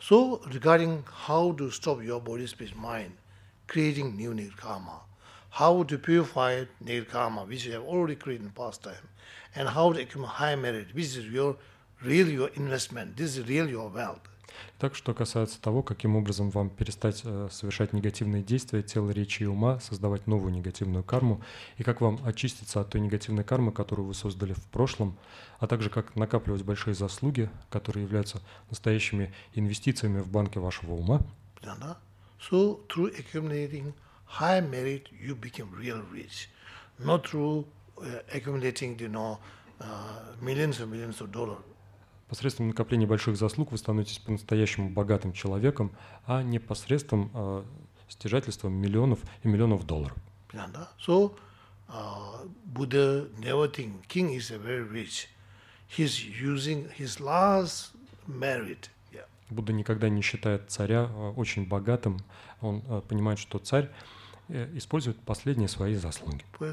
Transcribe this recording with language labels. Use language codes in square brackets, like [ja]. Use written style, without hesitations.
[en] So, regarding how to stop your body, speech, mind creating new negative karma, how to purify negative karma, which you have already created in past time, and how to accumulate high merit, which is your real your investment, this is real your wealth. [ru] Так, что касается того, каким образом вам перестать совершать негативные действия тела, речи и ума, создавать новую негативную карму, и как вам очиститься от той негативной кармы, которую вы создали в прошлом, а также как накапливать большие заслуги, которые являются настоящими инвестициями в банке вашего ума. Да-да. [en] So through accumulating high merit, you become real rich. Not through accumulating, you know, millions and millions of dollars. [ru] Посредством накопления больших заслуг вы становитесь по-настоящему богатым человеком, а не посредством стяжательства миллионов и миллионов долларов. Понятно, да? [en] So, Buddha never think king is a very rich. He's using his last merit. Yeah. [ru] Будда никогда не считает царя очень богатым. Он понимает, что царь использует последние свои заслуги.